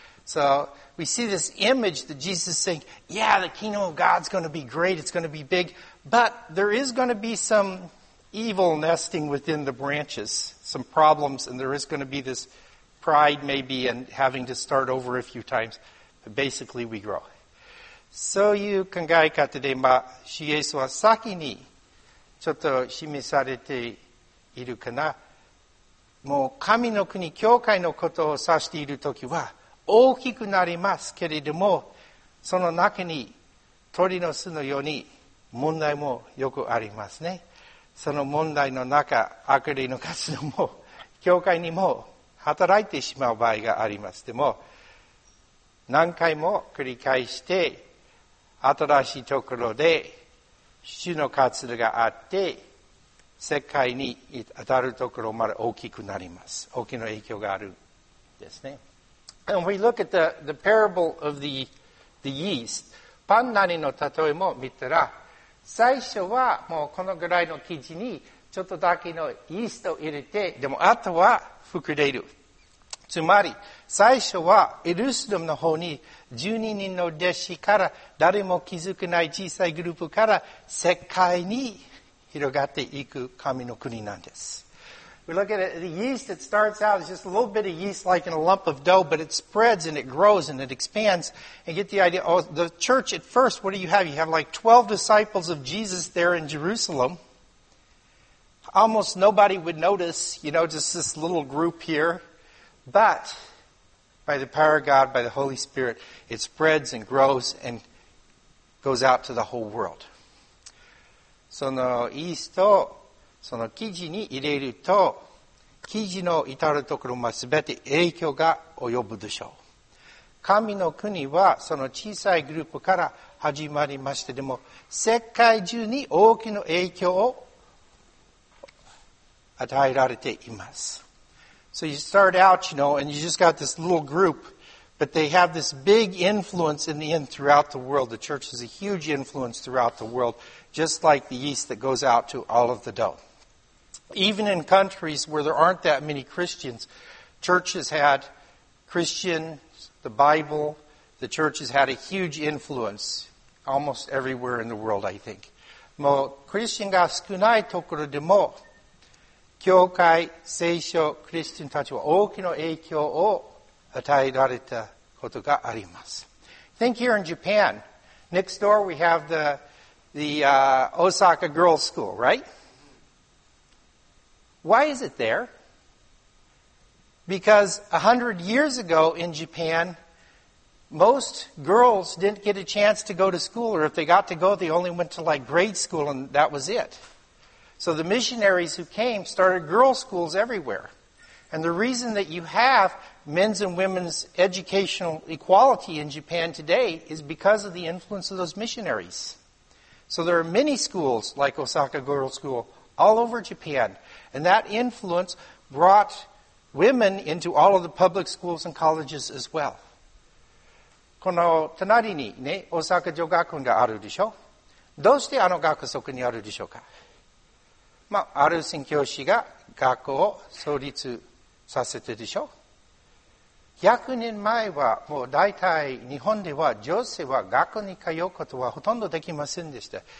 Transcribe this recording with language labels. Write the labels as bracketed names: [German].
[English] So we see this image that Jesus is saying, yeah, the kingdom of God's going to be great, it's going to be big, but there is going to be some evil nesting within the branches, some problems, and there is going to be this pride maybe and having to start over a few times. But basically, we grow. [Japanese] そういう考え方で、まあ、シエスは先にちょっと示されているかな。もう神の国、教会のことを指しているときは大きくなりますけれども、その中に鳥の巣のように問題もよくありますね。その問題の中、悪霊の活動も教会にも働いてしまう場合があります。でも何回も繰り返して新しいところで主の活動があって世界に当たるところまで大きくなります。大きな影響があるですね。 [English] And we look at the parable of the yeast. [Japanese] パンなりの例えも見たら、最初はもうこのぐらいの生地にちょっとだけのイーストを入れて、でもあとは膨れる。つまり、最初はエルサレムの方に12人の弟子から誰も気づけない小さいグループから世界に広がっていく神の国なんです。 [English] We look at it, the yeast, it starts out as just a little bit of yeast like in a lump of dough, but it spreads and it grows and it expands. And get the idea, oh, the church at first, what do you have? You have like 12 disciples of Jesus there in Jerusalem. Almost nobody would notice, you know, just this little group here. But by the power of God, by the Holy Spirit, it spreads and grows and goes out to the whole world. [Japanese] そのイーストをその生地に入れると生地の至るところまで全て影響が及ぶでしょう。神の国はその小さいグループから始まりまして、でも世界中に大きな影響を与えられています。 [English] So you start out, you know, and you just got this little group, but they have this big influence in the end throughout the world. The church is a huge influence throughout the world, just like the yeast that goes out to all of the dough. Even in countries where there aren't that many Christians, churches had Christians, the Bible, the church has had a huge influence almost everywhere in the world, I think. もうクリスチャンが少ないところでも、教会、聖書、クリスチャンたちは大きな影響を与えられたことがあります。 Think here in Japan. Next door we have the Osaka Girls School, right? Why is it there? Because 100 years ago in Japan, most girls didn't get a chance to go to school, or if they got to go, they only went to like grade school and that was it. So the missionaries who came started girls' schools everywhere. And the reason that you have men's and women's educational equality in Japan today is because of the influence of those missionaries. So there are many schools like Osaka Girls' School all over Japan. And that influence brought women into all of the public schools and colleges as well. [Japanese] この隣にね、大阪女学院があるでしょ。どうしてあの学則にあるでしょうか。まあ、ある宣教師が学校を創立させてでしょ。 100年前はもう大体日本では女性は学校に通うことはほとんどできませんでした。